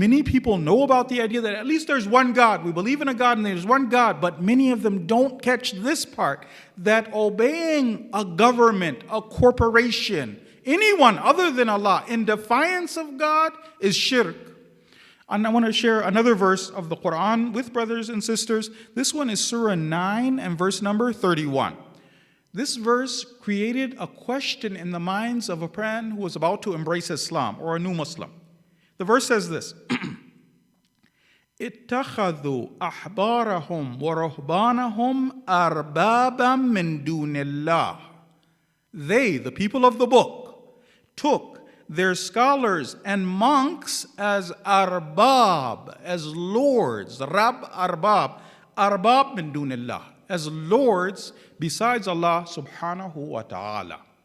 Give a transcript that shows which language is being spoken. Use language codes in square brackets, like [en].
[en] Many people know about the idea that at least there's one God. We believe in a God and there's one God, but many of them don't catch this part, that obeying a government, a corporation, anyone other than Allah, in defiance of God, is shirk. And I want to share another verse of the Quran with brothers and sisters. This one is Surah 9 and verse number 31. This verse created a question in the minds of a man who was about to embrace Islam or a new Muslim. The verse says this, [ar] اتخذوا أحبارهم ورهبانهم أربابا من دون الله. [en] They, the people of the book, took their scholars and monks as arbab, as lords, rab arbab, arbab min dunillah, as lords besides Allah subhanahu wa ta'ala.